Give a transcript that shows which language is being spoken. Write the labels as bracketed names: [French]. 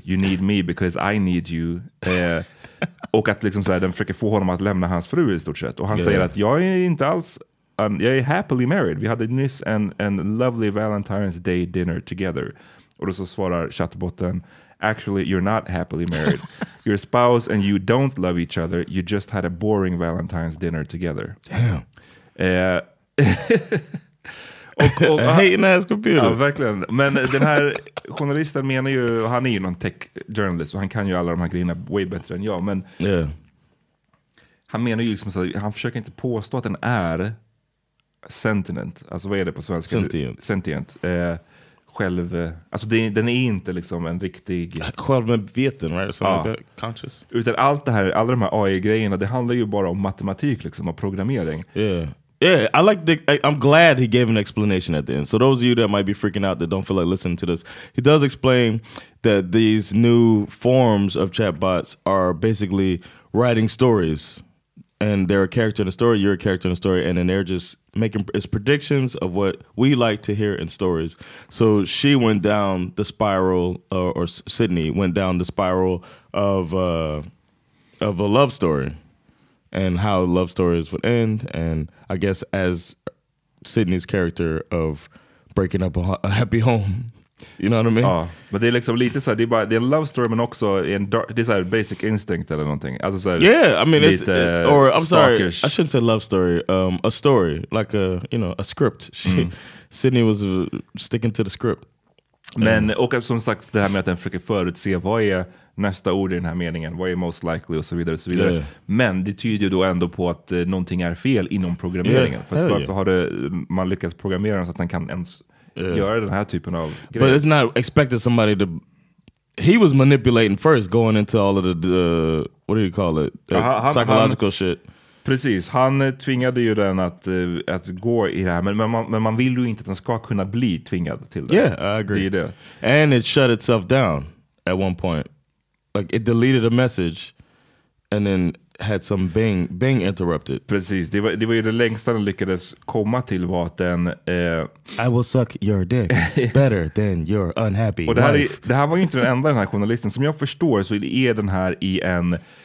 [English] You need me because I need you. [Swedish] Och att liksom såhär, den försöker få honom att lämna hans fru i stort sett. Och han säger att jag är inte alls, jag är [English] happily married. [Swedish] Vi hade nyss en [English] lovely Valentine's Day dinner together. [Swedish] Och då så svarar chattbotten, [English] actually you're not happily married. You're a spouse and you don't love each other. You just had a boring Valentine's dinner together. Damn. Hating ass computer. [Swedish] Ja, verkligen. Men den här journalisten menar ju, han är ju någon tech journalist och han kan ju alla de här grejerna way bättre än jag. Men han menar ju liksom så här, han försöker inte påstå att den är sentient. Alltså vad är det på svenska? [English] Sentient. [Swedish] Själv, alltså den är inte liksom en riktig... Självmedveten, [English] right? [Swedish] Ja. [English] Like conscious. [Swedish] Utan allt det här, alla de här AI-grejerna, det handlar ju bara om matematik liksom, och programmering. [English] Yeah, I like the. I'm glad he gave an explanation at the end. So those of you that might be freaking out that don't feel like listening to this, he does explain that these new forms of chatbots are basically writing stories, and they're a character in a story. You're a character in a story, and then they're just making it's predictions of what we like to hear in stories. So she went down the spiral, or Sydney went down the spiral of a love story. And how love stories would end, and I guess as Sydney's character of breaking up a happy home, You know what I mean? [Swedish] Ja, men det är liksom lite så här, det är bara, det är en [English] love story [Swedish] men också en dark, det är så här basic instinct eller någonting. Alltså så här, [English] yeah, I mean it's or I'm stalkish. Sorry, I shouldn't say love story. A story like a, you know, a script. Sydney was sticking to the script. [Swedish] Men och som sagt det här med att den försöker förutse vad är nästa ord i den här meningen, vad är [English] most likely [Swedish] och så vidare och så vidare. Yeah. Men det tyder ju då ändå på att någonting är fel inom programmeringen. Yeah. För att varför har det, man lyckats programmera så att den kan ens göra den här typen av grejer. [English] But it's not expected somebody to, he was manipulating first going into all of the what do you call it? Psychological [Swedish] han, [English] shit. [Swedish] Precis, han tvingade ju den att, att gå i det här. Men man vill ju inte att den ska kunna bli tvingad till det. [English] Yeah, I agree. [Swedish] Det är det. [English] And it shut itself down at one point. Like it deleted a message and then had some Bing interrupted. [Swedish] Precis, det var ju det längsta den lyckades komma till var att den... [English] I will suck your dick better than your unhappy [Swedish] wife. Och det här var ju inte den enda den här journalisten. Som jag förstår så är den här i en...